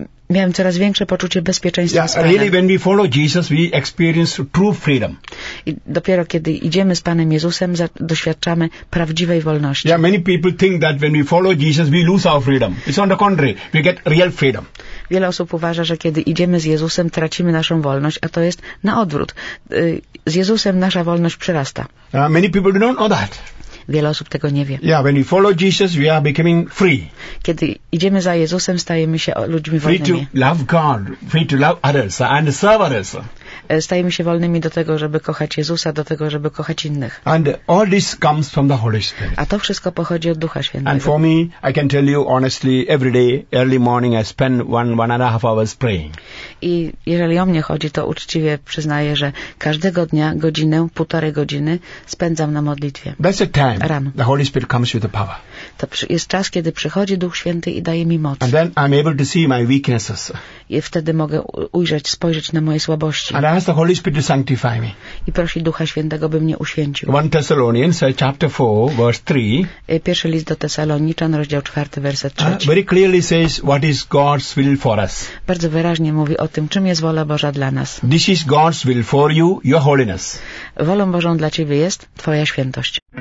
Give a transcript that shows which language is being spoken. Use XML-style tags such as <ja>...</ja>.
<pl>Miałem coraz większe poczucie bezpieczeństwa.</pl> <en>Yes, really, when we follow Jesus, we experience true freedom.</en> <pl>I dopiero kiedy idziemy z Panem Jezusem, doświadczamy prawdziwej wolności.</pl> <en>Yeah, many people think that when we follow Jesus, we lose our freedom. It's on the contrary, we get real freedom.</en> <pl>Wiele osób uważa, że kiedy idziemy z Jezusem, tracimy naszą wolność, a to jest na odwrót. Z Jezusem nasza wolność przyrasta.</pl> <en>Many people don't know that.</en> <pl>Wiele osób tego nie wie.</pl> <en>Yeah, when we follow Jesus, we are becoming free.</en> <pl>Kiedy idziemy za Jezusem, stajemy się ludźmi wolnymi.</pl> <en>Free to love God, free to love others and serve others.</en> <pl>Stajemy się wolnymi do tego, żeby kochać Jezusa, do tego, żeby kochać innych.</pl> <en>And all this comes from the Holy Spirit.</en> <pl>A to wszystko pochodzi od Ducha Świętego.</pl> <en>And for me, I can tell you honestly, every day, early morning, I spend one and a half hours praying.</en> <pl>I jeżeli o mnie chodzi, to uczciwie przyznaję, że każdego dnia godzinę, półtorej godziny spędzam na modlitwie.</pl> <en>That's the time</en> <pl>rano.</pl> <en>The Holy Spirit comes with the power.</en> <pl>To jest czas, kiedy przychodzi Duch Święty i daje mi moc.</pl> <en>And then I'm able to see my weaknesses.</en> <pl>I wtedy mogę ujrzeć, spojrzeć na moje słabości.</pl> <en>And I ask the Holy Spirit to sanctify me.</en> <pl>I prosi Ducha Świętego, by mnie uświęcił.</pl> <en>1 Thessalonians chapter 4, verse 3.</en> <pl>Pierwszy list do Tesaloniczan, rozdział 4, werset 3.</pl> <en>Very clearly says what is God's will for us.</en> <pl>Bardzo wyraźnie mówi o tym, czym jest wola Boża dla nas.</pl> <en>This is God's will for you, your holiness.</en> <pl>Wolą Bożą dla ciebie jest twoja świętość.</pl>